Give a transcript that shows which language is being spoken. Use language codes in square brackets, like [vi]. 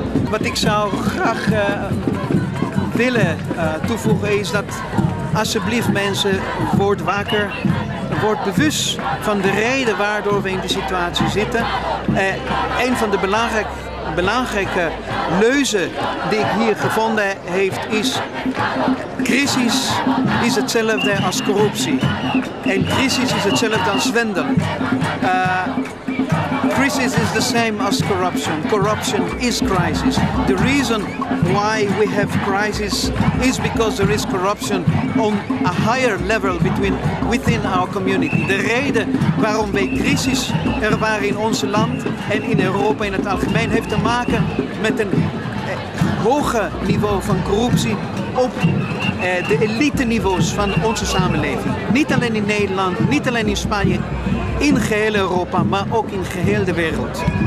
[nl] Wat ik zou graag willen toevoegen is dat alsjeblieft mensen, word wakker, word bewust van de reden waardoor we in die situatie zitten. Een van de belangrijke leuzen die ik hier gevonden heb is: crisis is hetzelfde als corruptie. En crisis is hetzelfde als zwendel. [en] Crisis is the same as corruption. Corruption is crisis. The reason why we have crisis is because there is corruption on a higher level within our community. [nl] De reden waarom wij crisis ervaren in ons land en in Europa in het algemeen heeft te maken met een hoger niveau van corruptie op de elite niveaus van onze samenleving. Niet alleen in Nederland, niet alleen in Spanje, in geheel Europa, maar ook in geheel de wereld.